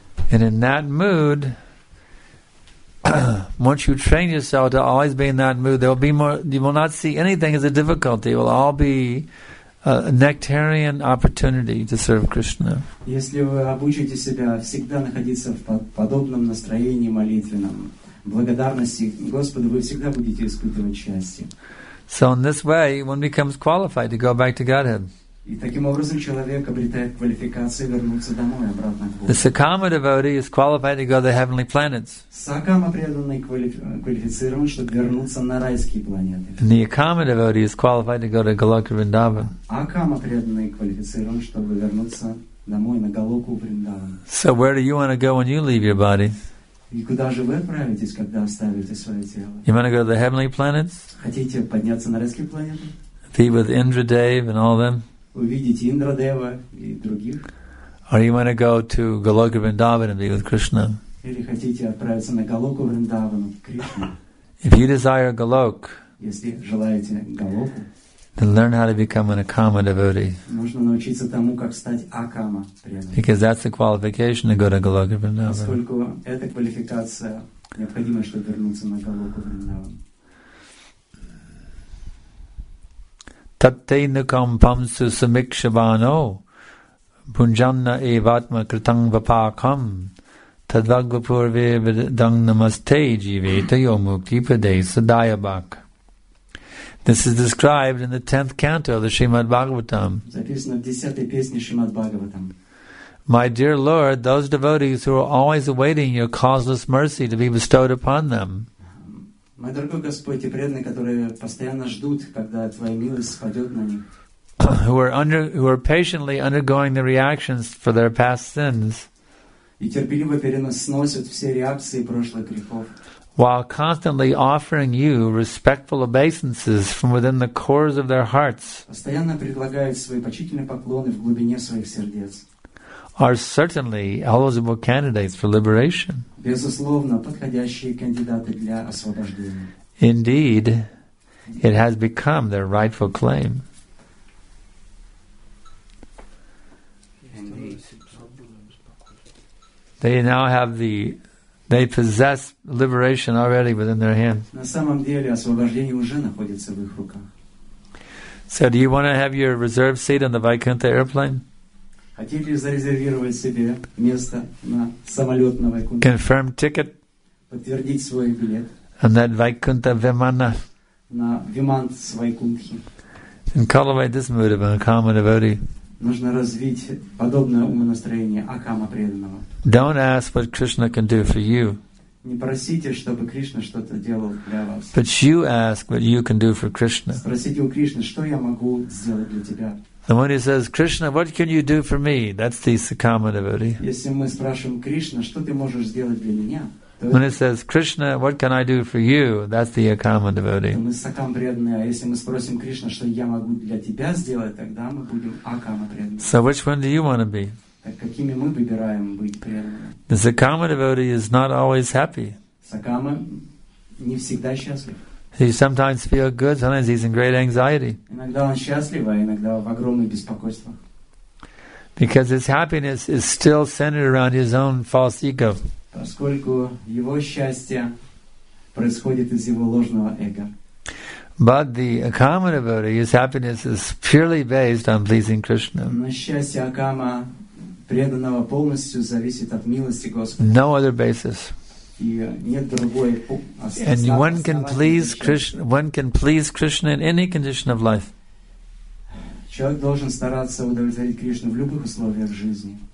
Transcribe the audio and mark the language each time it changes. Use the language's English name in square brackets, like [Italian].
[English] And in that mood, once you train yourself to always be in that mood, there will be more. You will not see anything as a difficulty. It will all be a nectarian opportunity to serve Krishna. [Russian] Если вы обучите себя всегда находиться в подобном настроении молитвенном, благодарности Господу, вы всегда будете испытывать счастье. [English] So in this way, one becomes qualified to go back to Godhead. [Russian] И таким образом человек обретает квалификацию вернуться домой, обратно к Богу. [English] The Sakama devotee is qualified to go to the heavenly planets. [Russian] Сакама преданный квалифицирован, чтобы вернуться на райские планеты. [English] And the Akama devotee is qualified to go to Goloka Vrindavan. [Russian] Акама преданный квалифицирован, чтобы вернуться домой на Голоку Вриндаван. [English] So where do you want to go when you leave your body? [Russian] И куда же вы отправитесь, когда оставите свое тело? [English] You want to go to the heavenly planets? [Russian] Хотите подняться на райские планеты? [English] Be with Indra, Dave, and all them? [Russian] Увидеть Индра, Дева и других. [English] Or you want to go to Goloka Vrindavan and be with Krishna? [Russian] Или хотите отправиться на Голоку Вриндаван к Кришне? [English] If you desire Golok, [Russian] если желаете Голоку, [English] then learn how to become an Akama devotee. [Russian] Нужно научиться тому, как стать Акама преданным. [English] Because that's the qualification to go to Goloka Vrindavan. [Russian] Поскольку это квалификация необходима, чтобы вернуться на Голоку Вриндаван. [Sanskrit] Tattenukam pamsu samikshavano punjanna evatma kritang vapakam tadvagvapurve vidang namaste jiveta yomukti pade sadayabak. [English] This is described in the 10th canto of the Srimad Bhagavatam. My dear Lord, those devotees who are always awaiting your causeless mercy to be bestowed upon them. [Russian] Мой дорогой Господь, те преданные, которые постоянно ждут, когда Твоя милость спадет на них. [English] Who are patiently undergoing the reactions for their past sins. [Russian] И терпеливо переносят все реакции прошлых грехов. [English] While constantly offering you respectful obeisances from within the cores of their hearts. [Russian] Постоянно предлагают свои почтительные поклоны в глубине своих сердец. [English] Are certainly eligible candidates for liberation. [Russian] Безусловно, подходящие кандидаты для освобождения. [English] Indeed, it has become their rightful claim. They possess liberation already within their hands. [Russian] На самом деле, освобождение уже находится в их руках. [English] So do you want to have your reserved seat on the Vaikuntha airplane? [Russian] Хотели зарезервировать себе место на самолет на Вайкунте? [English] Confirm ticket. [Russian] Подтвердить свой билет. [English] And that Vaikuntha Vimana. [Russian] На Виман с Вайкунтхи. [English] And cultivate this mood of an Akama devotee. [Russian] Нужно развить подобное умонастроение Акама преданного. [English] Don't ask what Krishna can do for you. [Russian] Не просите, чтобы Кришна что-то делал для вас. [English] But you ask what you can do for Krishna. [Russian] Спросите у Кришны, что я могу сделать для тебя. [English] The one who says, Krishna, what can you do for me? That's the Sakama devotee. [Russian] Если мы спрашиваем Кришна, что ты можешь сделать для меня? [English] When he says, Krishna, what can I do for you? That's the Akama devotee. [Russian] Мы Сакам преданные, а если мы спросим Кришна, что я могу для тебя сделать, тогда мы будем Акама преданные. [English] So which one do you want to be? [Russian] Так какими мы выбираем быть преданными? [English] The Sakama devotee is not always happy. [Russian] Сакама не всегда счастлив. [English] He sometimes feels good, sometimes he's in great anxiety. [Russian] Иногда он счастлив, а иногда в огромном беспокойстве. [English] Because his happiness is still centered around his own false ego. [Russian] Поскольку его счастье происходит из его ложного эго. [English] But the Akama devotee, his happiness is purely based on pleasing Krishna. [Russian] Но счастье Акама преданного полностью зависит от милости Господа. [English] No other basis. And one can please Krishna. One can please Krishna in any condition of life. [Russian] Человек должен стараться удовлетворить Кришну в любых условиях жизни.